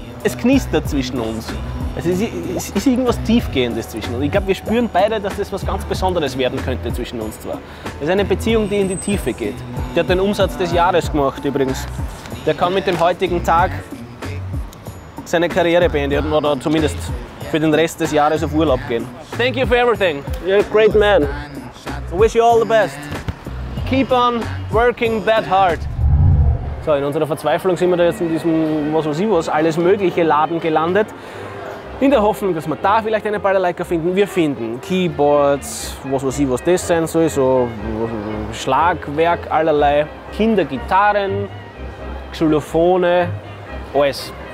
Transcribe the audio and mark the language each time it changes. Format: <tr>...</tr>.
<de>Es knistert zwischen uns. Es ist irgendwas Tiefgehendes zwischen uns. Ich glaube, wir spüren beide, dass das was ganz Besonderes werden könnte zwischen uns zwei. Es ist eine Beziehung, die in die Tiefe geht. Der hat den Umsatz des Jahres gemacht übrigens. Der kann mit dem heutigen Tag seine Karriere beenden oder zumindest für den Rest des Jahres auf Urlaub gehen.</de> <en>Thank you for everything. You're a great man. I wish you all the best. Keep on working that hard.</en> <de>So, in unserer Verzweiflung sind wir da jetzt in diesem, was weiß ich was, alles mögliche Laden gelandet. In der Hoffnung, dass wir da vielleicht eine Balalaika finden. Wir finden Keyboards, was weiß ich was das sein soll, so Schlagwerk allerlei, Kindergitarren, Xylophone, alles.</de>